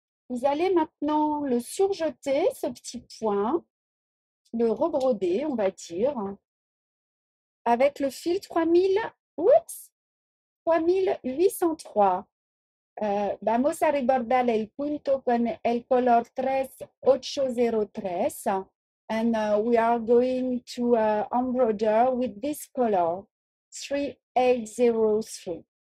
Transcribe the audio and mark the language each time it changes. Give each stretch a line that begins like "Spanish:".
French: Vous allez maintenant le surjeter, ce petit point. Le rebroder, on va dire, avec le fil 3803.
Spanish: Vamos a rebordar el punto con el color 3803.
English: And we are going to embroider with this color, 3803.